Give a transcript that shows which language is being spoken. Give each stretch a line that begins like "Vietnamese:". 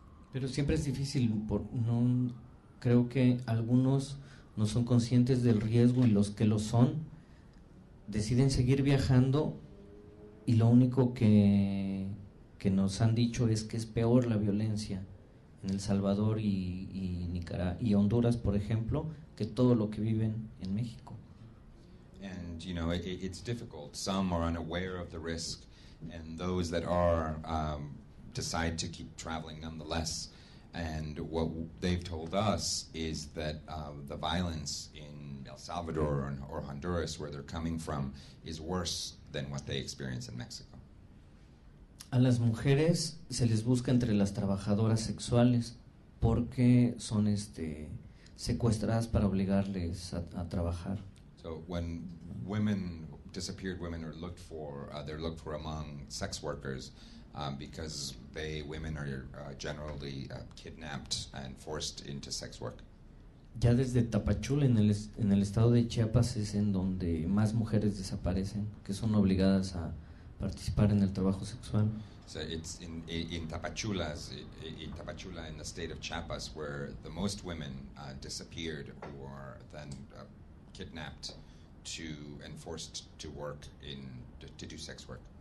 Spanish: Pero siempre es difícil, no creo que algunos no son conscientes del riesgo, y los que lo son deciden seguir viajando, y lo único que nos han dicho es que es peor la violencia en El Salvador y Nicaragua y Honduras, por ejemplo, que todo lo que viven en México.
English: And you know, it's difficult. Some are unaware of the risk, and those that are decide to keep traveling nonetheless, and what they've told us is that the violence in El Salvador or Honduras, where they're coming from, is worse than what they experience in Mexico.
Spanish: A las mujeres se les busca entre las trabajadoras sexuales porque son secuestradas para obligarles a trabajar.
English: So when women, disappeared women, are looked for, they're looked for among sex workers. Because women are generally kidnapped and forced into sex work.
Spanish: Ya desde Tapachula, en el estado de Chiapas, es en donde más mujeres desaparecen, que son obligadas a participar en el trabajo sexual.
English: So it's in Tapachula, in the state of Chiapas, where the most women disappeared or then kidnapped to and forced to work in to do sex work.